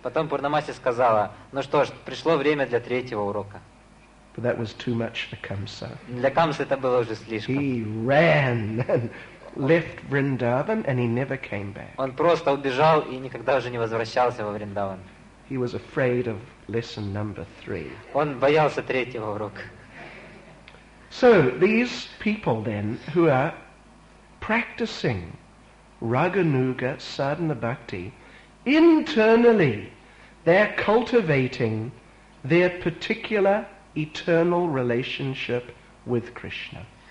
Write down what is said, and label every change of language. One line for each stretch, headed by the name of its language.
Russian: Потом Пурнамаси сказала, "Ну что ж, пришло время для третьего урока."
English: But that was too much for Kamsa.
Russian: Для Камсы это было уже слишком.
English: He ran and left Vrindavan, and he never came back.
Russian: Он просто убежал и никогда уже не возвращался во Вриндаван.
English: He was afraid of lesson number three.
Russian: Он боялся третьего урока.
English: So these people then who are practicing Raganuga Sadhana Bhakti, internally they're cultivating their particular eternal relationship with Krishna.